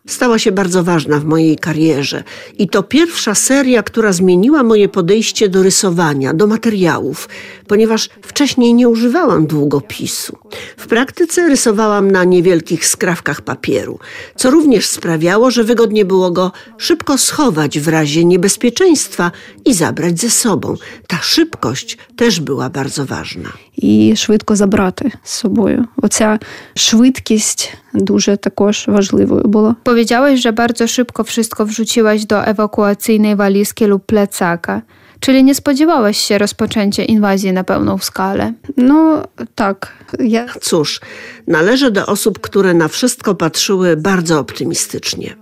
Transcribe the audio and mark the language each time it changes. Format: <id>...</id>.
<pl>Stała się bardzo ważna w mojej karierze i to pierwsza seria, która zmieniła moje podejście do rysowania, do materiałów, ponieważ wcześniej nie używałam długopisu. W praktyce rysowałam na niewielkich skrawkach papieru, co również sprawiało, że wygodnie było go szybko schować w razie niebezpieczeństwa i zabrać ze sobą. Ta szybkość też była bardzo ważna.</pl> <uk>І швидко забрати з собою. Оця швидкість дуже також важливою була.</uk> <pl>Powiedziałeś, że bardzo szybko wszystko wrzuciłaś do ewakuacyjnej walizki lub plecaka. Czyli nie spodziewałaś się rozpoczęcia inwazji na pełną skalę. No tak. Cóż, należę do osób, które na wszystko patrzyły bardzo optymistycznie.</pl>